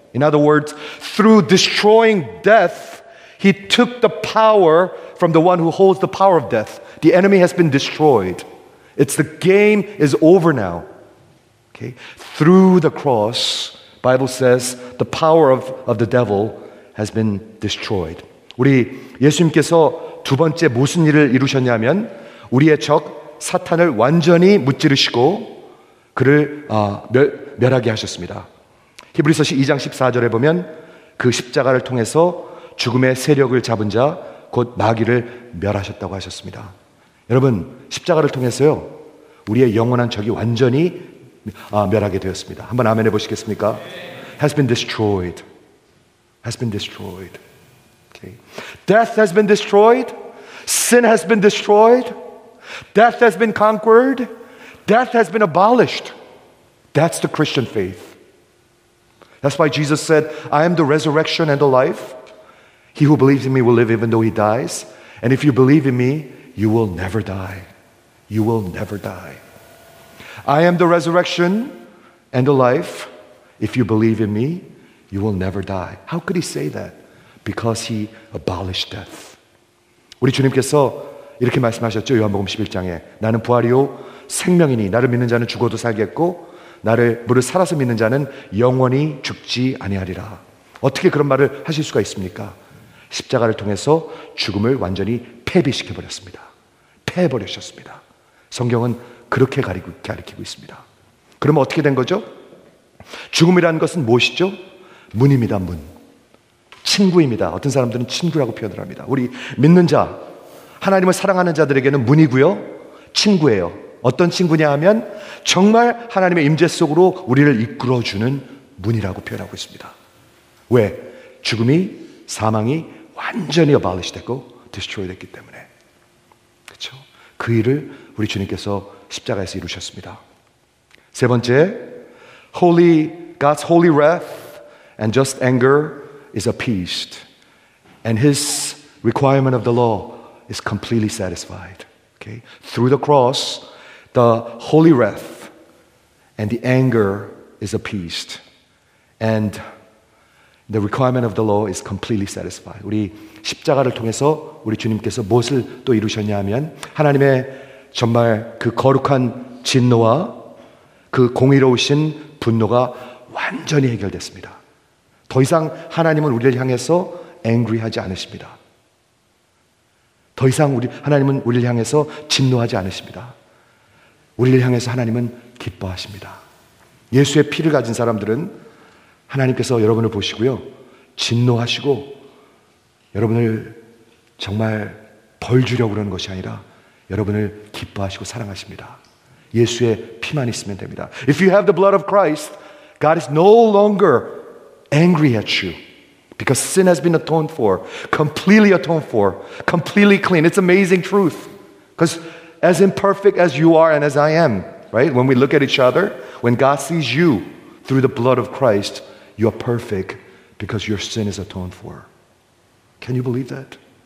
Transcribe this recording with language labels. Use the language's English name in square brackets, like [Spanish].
[English] In other words, through destroying death, he took the power from the one who holds the power of death. The enemy has been destroyed. It's the game is over now. Okay? Through the cross, Bible says, the power of the devil has been destroyed. [Korean] 우리 예수님께서 두 번째 무슨 일을 이루셨냐면 우리의 적 사탄을 완전히 무찌르시고 그를 멸하게 하셨습니다. 히브리서 2장 14절에 보면 그 십자가를 통해서 죽음의 세력을 잡은 자 곧 마귀를 멸하셨다고 하셨습니다. 여러분, 십자가를 통해서요 우리의 영원한 적이 완전히 멸하게 되었습니다. 한번 아멘 해보시겠습니까? [English] Has been destroyed. Has been destroyed. Okay. Death has been destroyed. Sin has been destroyed. Death has been conquered. Death has been abolished. That's the Christian faith. That's why Jesus said, I am the resurrection and the life. He who believes in me will live even though he dies. And if you believe in me, you will never die. You will never die. I am the resurrection and the life. If you believe in me, you will never die. How could he say that? Because he abolished death. [Korean] 우리 주님께서 이렇게 말씀하셨죠. 요한복음 11장에 나는 부활이요 생명이니 나를 믿는 자는 죽어도 살겠고 나를 무릇 살아서 믿는 자는 영원히 죽지 아니하리라. 어떻게 그런 말을 하실 수가 있습니까? 십자가를 통해서 죽음을 완전히 패배시켜버렸습니다. 패해버리셨습니다. 성경은 그렇게 가리키고 있습니다. 그러면 어떻게 된 거죠? 죽음이라는 것은 무엇이죠? 문입니다. 문. 친구입니다. 어떤 사람들은 친구라고 표현을 합니다. 우리 믿는 자, 하나님을 사랑하는 자들에게는 문이고요. 친구예요. 어떤 친구냐 하면 정말 하나님의 임재 속으로 우리를 이끌어주는 문이라고 표현하고 있습니다. 왜? 죽음이, 사망이 완전히 abolished 됐고 destroyed 됐기 때문에. 그렇죠? 그 일을 우리 주님께서 십자가에서 이루셨습니다. 세 번째, [English] God's holy wrath and just anger is appeased and his requirement of the law is completely satisfied. Okay? Through the cross, the holy wrath and the anger is appeased and the requirement of the law is completely satisfied. [Korean] 우리 십자가를 통해서 우리 주님께서 무엇을 또 이루셨냐 하면 하나님의 정말 그 거룩한 진노와 그 공의로우신 분노가 완전히 해결됐습니다. 더 이상 하나님은 우리를 향해서 angry 하지 않으십니다. 더 이상 하나님은 우리를 향해서 진노하지 않으십니다. 우리를 향해서 하나님은 기뻐하십니다. 예수의 피를 가진 사람들은 하나님께서 여러분을 보시고요. 진노하시고 여러분을 정말 벌 주려고 그러는 것이 아니라 여러분을 기뻐하시고 사랑하십니다. 예수의 피만 있으면 됩니다. [English] If you have the blood of Christ, God is no longer angry at you. Because sin has been atoned for, completely atoned for, completely clean. It's amazing truth. Because as imperfect as you are and as I am, right? When we look at each other, when God sees you through the blood of Christ, you are perfect because your sin is atoned for. Can you believe that?